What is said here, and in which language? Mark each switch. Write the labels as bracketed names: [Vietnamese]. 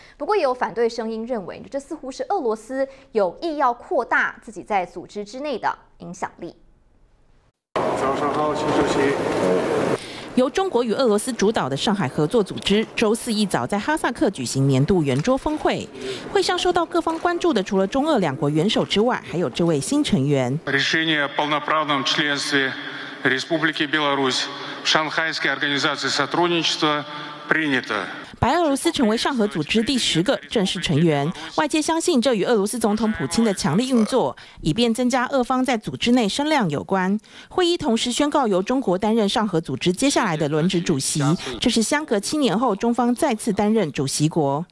[Chinese] 不过也有反对声音认为，这似乎是俄罗斯有意要扩大自己在组织之内的影响力。早上好，习主席。由中国与俄罗斯主导的上海合作组织周四一早在哈萨克举行年度圆桌峰会，会上受到各方关注的除了中俄两国元首之外，还有这位新成员。 [Russian] решение о полноправном членстве Республики Беларусь в Шанхайской организации сотрудничества принято。 [Chinese] 白俄罗斯成为上合组织第十个正式成员，外界相信这与俄罗斯总统普京的强力运作，以便增加俄方在组织内声量有关。会议同时宣告由中国担任上合组织接下来的轮值主席，这是相隔7年后中方再次担任主席国。